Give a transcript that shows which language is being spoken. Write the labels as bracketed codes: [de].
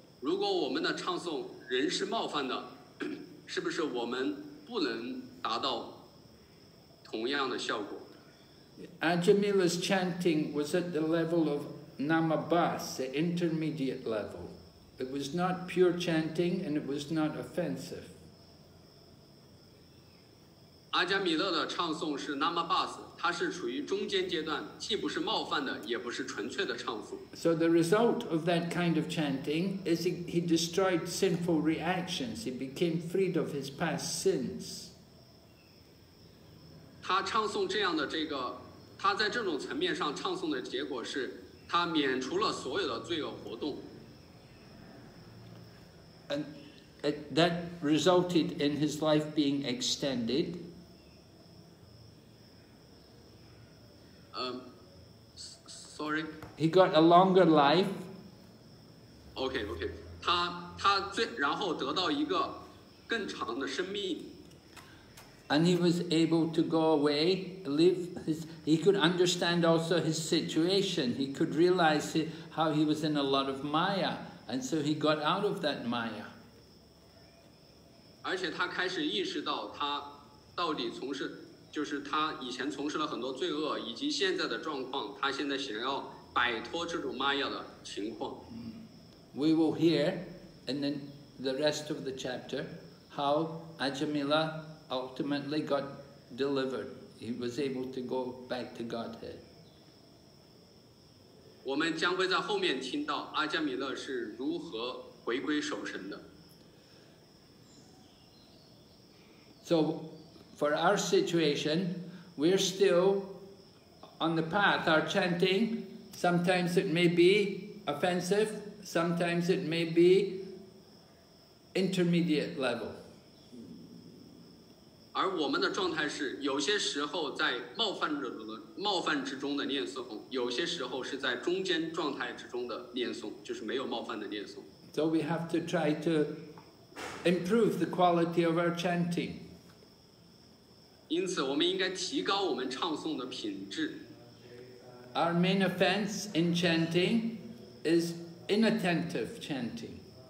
[zh] 如果我们的唱诵仍是冒犯的，是不是我们不能达到同样的效果？ [en] Ajahn Mila's chanting was at the level of Namabhas, the intermediate level. It was not pure chanting and it was not offensive. [zh] Ajahn Mila 的唱诵是 Namabhas, 它是处于中间阶段，既不是冒犯的，也不是纯粹的唱诵。 [en] So the result of that kind of chanting is he destroyed sinful reactions. He became freed of his past sins. [zh] 他唱诵这样的这个，他在这种层面上唱诵的结果是，他免除了所有的罪恶活动。 [en] And that resulted in his life being extended. Sorry. He got a longer life. Okay. [zh] 他然后得到一个更长的生命。 [en] And he was able to go away, live his. He could understand also his situation. He could realize how he was in a lot of Maya, and so he got out of that Maya. [zh] 而且他开始意识到他到底从事。就是他以前从事了很多罪恶，以及现在的状况，他现在想要摆脱这种玛雅的情况。 [en] We will hear in the rest of the chapter how Ajahn Mila ultimately got delivered. He was able to go back to Godhead. [zh] 我们将会在后面听到阿迦米勒是如何回归守神的。 [en] So. For our situation, we're still on the path. Our chanting, sometimes it may be offensive, sometimes it may be intermediate level. [zh] 而我们的状态是，有些时候在冒犯之中的念诵，有些时候是在中间状态之中的念诵，就是没有冒犯的念诵。 [en] So we have to try to improve the quality of our chanting. [zh] 因此我们应该提高我们唱诵的品质。 [en] Our main offense in chanting is inattentive chanting.